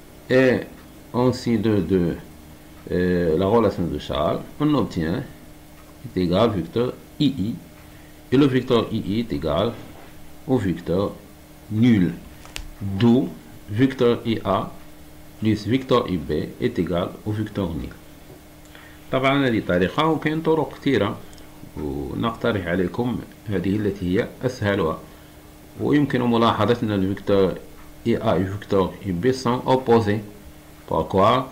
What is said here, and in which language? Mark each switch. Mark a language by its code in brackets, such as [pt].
[fr] Et en signe de la relation de Charles, on obtient est égal à vecteur ii. Et le vecteur II est égal au vecteur nul. D'où vecteur IA plus vecteur IB est égal au vecteur nul. [ar] طبعا هذه طريقة وكاين طرق كثيرة ونقترح عليكم هذه التي هي أسهلها. ويمكن ملاحظة أن الفيكتور IA et الفيكتور IB [fr] sont opposés. Pourquoi?